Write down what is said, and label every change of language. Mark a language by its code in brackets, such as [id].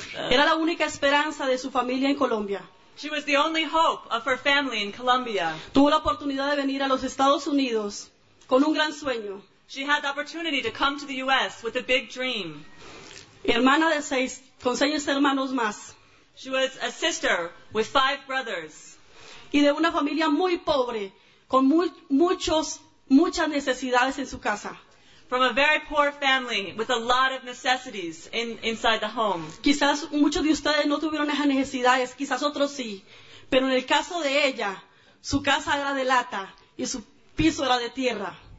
[es] Era la única esperanza de su familia en Colombia. [en] She was the only hope of her family in Colombia. [es] Tuvo la oportunidad de venir a los Estados Unidos con un gran sueño. [en] She had the opportunity to come to the U.S. with a big dream. [es] Hermana de seis, con seis hermanos más. [en] She was a sister with five brothers. [es] Y de una familia muy pobre, con muchas necesidades en su casa. [en] From a very poor family with a lot of necessities inside the home. [es] Quizás muchos de ustedes no tuvieron esas necesidades, quizás otros sí. Pero en el caso de ella, su casa era de lata y su piso era de tierra.